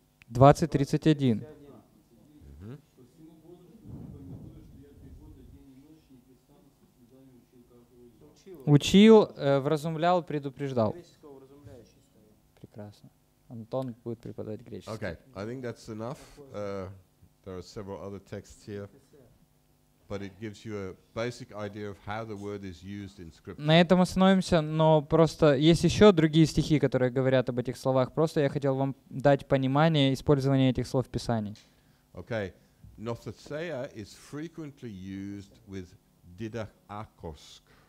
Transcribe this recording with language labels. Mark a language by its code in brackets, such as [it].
[ru] 20:31. Учил, вразумлял, предупреждал. Прекрасно. Антон будет преподавать греческий. [en] Okay, I think that's enough. There are several other texts here, but it gives you a basic idea of how the word is used in scripture. [ru] На этом остановимся, но просто есть еще другие стихи, которые говорят об этих словах. Просто я хотел вам дать понимание использования этих слов в Писании. [en] Okay, nothotheia is frequently used with didakosk.